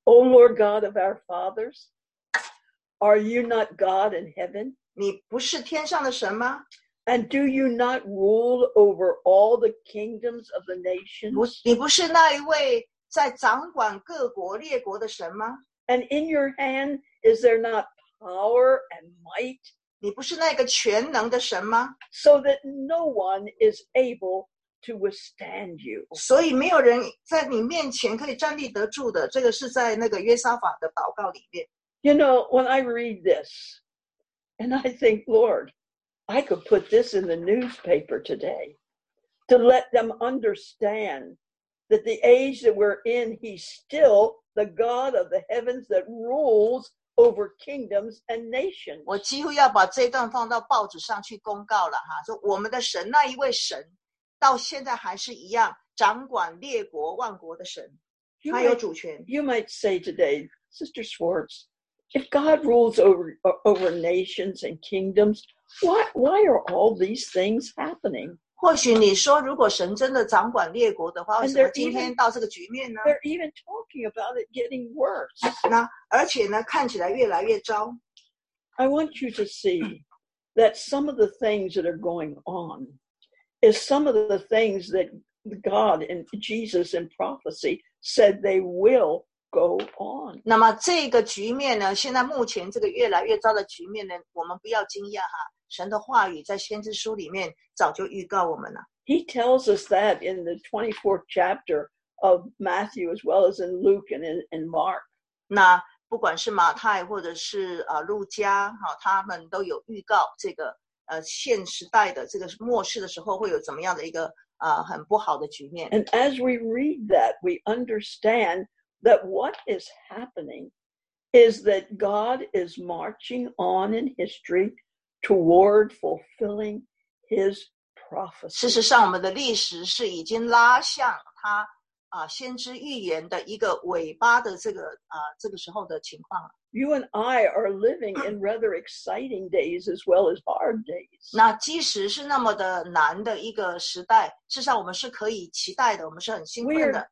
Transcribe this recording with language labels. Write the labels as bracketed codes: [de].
[en] O Lord God of our fathers, are you not God in heaven? [zh] 你不是天上的神吗 [en] ？And do you not rule over all the kingdoms of the nations? [zh] 你不是那一位在掌管各国列国的神吗？ [en] And in your hand is there not power and might? [zh] 你不是那个全能的神吗？ [en] So that no one is able to withstand you. [zh] 所以没有人在你面前可以站立得住的，这个是在那个约沙法的祷告里面。 [en] You know, when I read this, and I think, Lord, I could put this in the newspaper today. To let them understand that the age that we're in, he's still the God of the heavens that rules over kingdoms and nations. [zh] 我几乎要把这段放到报纸上去公告了哈，说我们的神那一位神，到现在还是一样掌管列国万国的神，他有主权。 [en] You might say today, Sister Schwartz, if God rules over nations and kingdoms, why are all these things happening? [zh] 或许你说如果神真的掌管列国的话为什么今天到这个局面呢 [en] they're even talking about it getting worse. [zh] 那而且呢看起来越来越糟 [en] I want you to see that some of the things that are going on is some of the things that God and Jesus in prophecy said they will go on. [zh] 那么这个局面呢现在目前这个越来越糟的局面呢我们不要惊讶哈神的话语在先知书里面早就预告我们了。 [en] He tells us that in the 24th chapter of Matthew, as well as in Luke and in Mark. [zh] 那不管是马太或者是路加，他们都有预告这个现时代的这个末世的时候会有怎么样的一个很不好的局面。 [en] And as we read that, we understand that what is happening is that God is marching on in history. Toward fulfilling his prophecy. [zh] 事实上，我们的历史是已经拉向他先知预言的一个尾巴的这个时候的情况。 [en] You and I are living in rather exciting days as well as hard days. [zh] 那即使是那么的难的一个时代，事实上我们是可以期待的，我们是很兴奋的。